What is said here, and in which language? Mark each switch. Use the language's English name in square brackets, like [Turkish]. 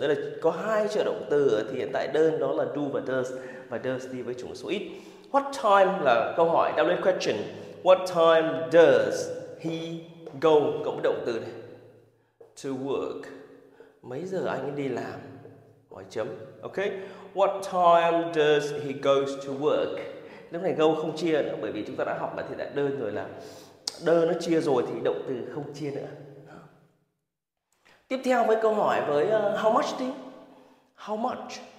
[Vietnamese] Đây là có hai trợ động từ thì hiện tại đơn, đó là do và does. Và does đi với chủ ngữ số ít. What time là câu hỏi WH question. [English] What time does he go, [Vietnamese] cộng với động từ này, [English] to work. [Vietnamese] Mấy giờ anh ấy đi làm, hỏi chấm. [English] Ok. What time does he goes to work? [Vietnamese] Lúc này go không chia nữa, bởi vì chúng ta đã học là hiện tại đơn rồi, là đơn nó chia rồi thì động từ không chia nữa. Tiếp theo với câu hỏi với how much đi. How much?